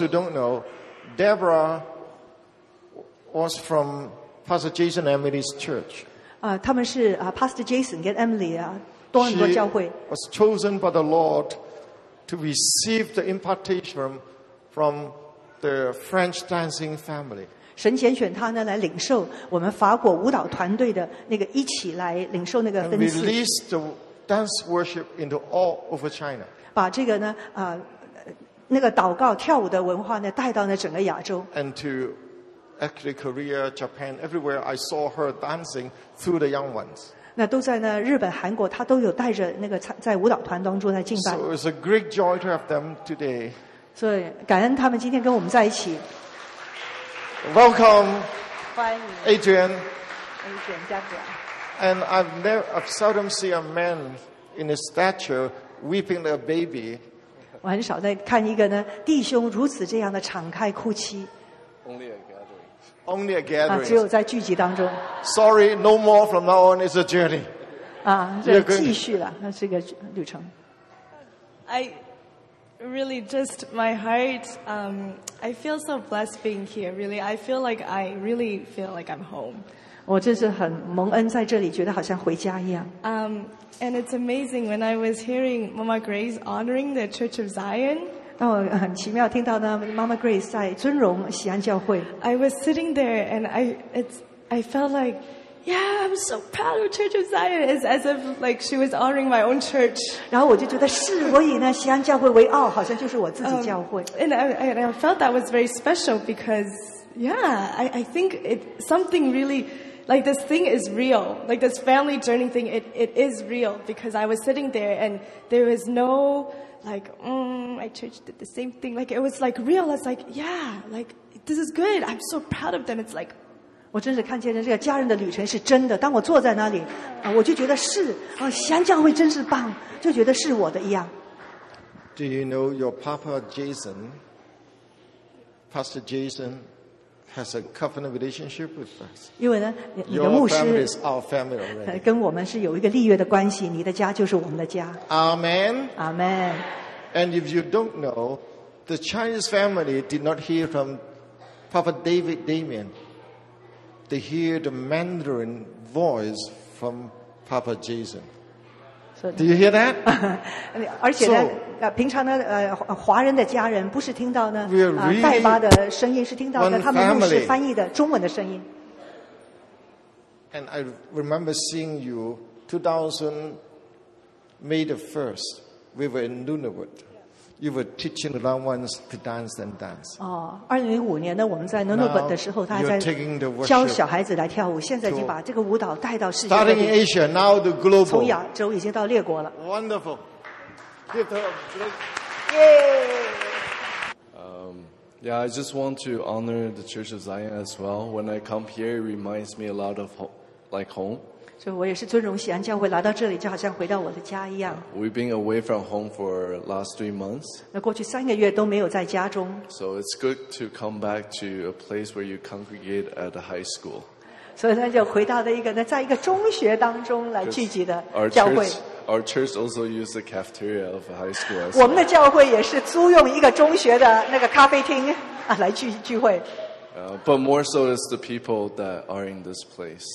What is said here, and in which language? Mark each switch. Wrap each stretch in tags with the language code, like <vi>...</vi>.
<en>For those who don't know, Deborah. Was from Pastor Jason and Emily's church.</en> <zh>Pastor Jason and Emily, 多很多教会</zh> <en>She was chosen by the Lord to receive the impartation from the French dancing family.</en> <zh>神拣选她呢来领受我们法国舞蹈团队的那个一起来领受那个恩赐</zh> <en>Released the dance worship into all over China.</en> <zh>把这个呢那个祷告跳舞的文化呢带到那整个亚洲</zh> <en>And to Actually, Korea, Japan, everywhere I saw her dancing through the young ones.</en> <zh>那都在那日本、韩国，她都有带着那个在舞蹈团当中在敬拜。</zh> <en>So it's a great joy to have them today.</en> <zh>所以感恩他们今天跟我们在一起。</zh> <en>Welcome.</en> <zh>欢迎。</zh> <en>Adrian.</en> <zh>Adrian, 加德。</zh> <en>And I've seldom see a man in his stature weeping like a baby.</en> <zh>很少在看一个呢弟兄如此这样的敞开哭泣。</zh> <en>Only a gathering.</en> <zh>只有在聚集当中。</zh> <en>Sorry, no more from now on. It's a journey.</en> <zh>啊，这继续了，那是个旅程。</zh> <en>I really just my heart. I feel so blessed being here. Really, I feel like I really feel like I'm home.</en> <zh>我真是很蒙恩在这里，觉得好像回家一样。</zh> <en>And it's amazing when I was hearing Mama Grace honoring the Church of Zion.</en> <zh>当我很奇妙听到呢 ，Mama Grace 在尊荣锡安教会。</zh> <en>I was sitting there and I felt like, yeah, I'm so proud of Church of Zion. It's as if like she was honoring my own church.</en> <zh>然后我就觉得是，我以呢锡安教会为傲，好像就是我自己教会。</zh> <en>And I felt that was very special because, yeah, I think it something really. Like this thing is real. Like this family journey thing, it is real. Because I was sitting there, and there was no like, my church did the same thing. Like it was like real. It's like, yeah, like this is good. I'm so proud of them. It's like,</en> <zh>我真是看见这个家人的旅程是真的。当我坐在那里，我就觉得是啊，锡安教会真是棒，就觉得是我的一样。</zh> <en>Do you know your Papa Jason, Pastor Jason? Has a covenant relationship with us.</en> <zh>因为呢，你的牧师</zh> <en>family is our family already.</en> <zh>跟我们是有一个立约的关系。你的家就是我们的家。</zh> <en>Amen. Amen. And if you don't know, the Chinese family did not hear from Papa David Damien. They hear the Mandarin voice from Papa Jason. Do you hear that?</en> <zh>而且呢。平常呢，华人的家人不是听到呢，戴巴的声音是听到的，他们牧师翻译的中文的声音。</zh> <en>And I remember seeing you 2000 May the 1st, we were in Nunavut. You were teaching the young ones to dance and dance.</en> <zh>哦，2005年呢，我们在 Nunavut 的时候，他还在教小孩子来跳舞。现在已经把这个舞蹈带到世界各地。</zh> <en>Starting in Asia, now the global.</en> <zh>从亚洲已经到列国了。</zh> <en>Wonderful. Yeah, I just want to honor the Church of Zion as well. When I come here, it reminds me a lot of like home.</en> <zh>So, 我也是尊荣锡安教会来到这里，就好像回到我的家一样。</zh> <en>We've been away from home for last 3 months.</en> <zh>那过去三个月都没有在家中。</zh> <en>So it's good to come back to a place where you congregate at a high school.</en> <zh>所以他就回到了一个那在一个中学当中来聚集的教会。</zh> <en>Our church also uses the cafeteria of a high school.</en> <zh>我们的教会也是租用一个中学的那个咖啡厅啊来聚会。</zh> <en>But more so is the people that are in this place.</en>